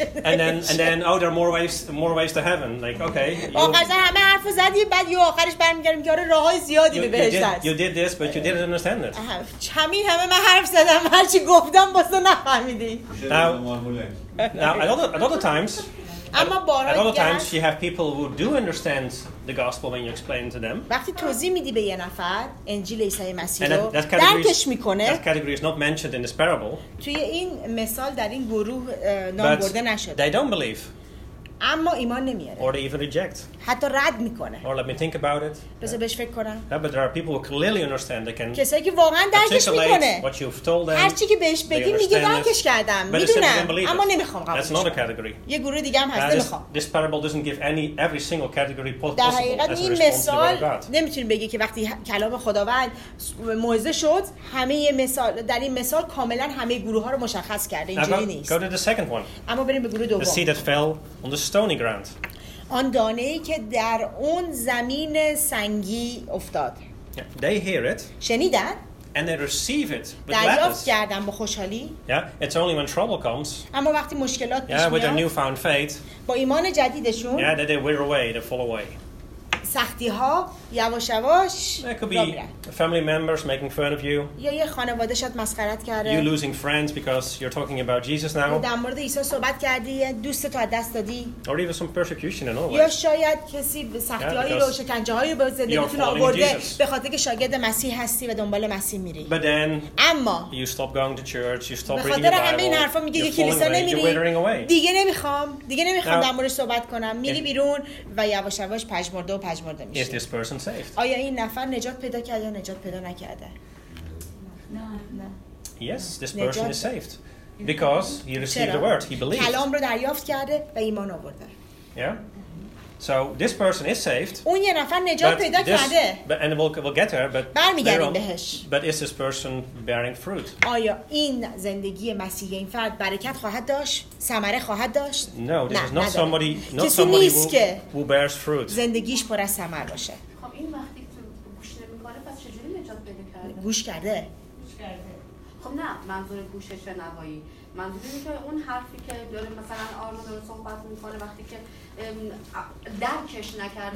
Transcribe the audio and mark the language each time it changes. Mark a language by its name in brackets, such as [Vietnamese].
[English] And then oh, there are more ways to heaven. Like, okay. [Persian] آخرش همه حرف زدی بعد یه آخرش برمیگردم میگم آره راههای زیادی به بهشت. [English] You did this but you didn't understand it. [Persian] چمی همه من حرف زدم هر چی گفتم بس نفهمیدی. [English] Now a lot of times At other times you have people who do understand the gospel when you explain to them. [Persian] وقتی توضیح میدی به یه نفر انجیل عیسی مسیح رو درکش میکنه. [English] That category is not mentioned in this parable. [Persian] توی این مثال در این گروه نام برده نشده. [English] They don't believe. [Persian] اما ایمان نمیاره. [English] Or they even reject. [Persian] حتی رد میکنه. [English] Or let me think about it. [Persian] بذار بهش فکر کنم. [English] Yeah, but there are people who clearly understand. They can. [Persian] کسایی که واقعا درکش میکنه. [English] What you've told them. [Persian] هر چی که بهش بگی میگه درکش کردم. میدونم. اما نمیخوام قبول. [English] That's not a category. [Persian] یه گروه دیگه هم هست. نمیخوام. [English] This parable doesn't give every single category possible. [Persian] در حقیقت این مثال نمیتونی بگی که وقتی کلام خداوند موعظه شد همه مثال در این مثال کاملا همه گروه ها رو مشخص کرده. اینجوری نیست. [English] Go to the second one. [Persian] اما بریم به گروه دوم. [English] The seed that fell on the stony ground. [Persian] آن دانه‌ای که در اون زمین سنگی افتاد. [English] Yeah, they hear it. [Persian] شنیدن. [English] And they receive it with [Persian] gladness. دریافت کردن با خوشحالی. [English] Yeah, it's only when trouble comes. [Persian] اما وقتی مشکلات پیش میاد. [English] Yeah, with their newfound faith. [Persian] با ایمان جدیدشون. [English] Yeah, they wither away, they fall away. [Persian] سختی ها یواش یواش. [English] There could be family members making fun of you. [Persian] یا یه خانواده شاید مسخره کرده. [English] You're losing friends because you're talking about Jesus now. [Persian] در مورد عیسی صحبت کردی، دوست تو از دست دادی. [English] Or even some persecution and all. [Persian] یا شاید کسی سختی هایی رو شکنجه هایی رو به زندگیتون آورده به خاطر که شاگرد مسیح هستی و دنبال مسیح میری. [English] But then [Persian] اما [English] you stop going to church, you stop reading the Bible. [Persian] به خاطر همه این حرفا میگی کلیسا نمیری. دیگه نمیخوام، در مورد صحبت کنم. میری بیرون و یواش یواش پژمرده و پژمرده میشی. [English] Is this person saved? [Persian] آیا این نفر نجات پیدا کرد یا نجات پیدا نکرده؟ نه. [English] Yes, this person is saved because he received the word. He believed. [Persian] کلام رو دریافت کرده و ایمان آورده. [English] Yeah. So this person is saved. [Persian] اون یه نفر نجات پیدا کرده. [English] But and we'll get her, but [Persian] برمیگردیم بهش. [English] But is this person bearing fruit? [Persian] آیا این زندگی مسیحی این فرد برکت خواهد داشت؟ ثمره خواهد داشت؟ [English] No, this is not somebody who bears fruit. [Persian] زندگیش پر از ثمر باشه. خب این وقتی تو گوش نمی‌کنه پس چجوری نجات پیدا کرده؟ گوش کرده. خب نه منظور گوش شنوایی منظور اینه که اون حرفی که داره مثلا آرون داره صحبت میکنه وقتی که درکش نکرده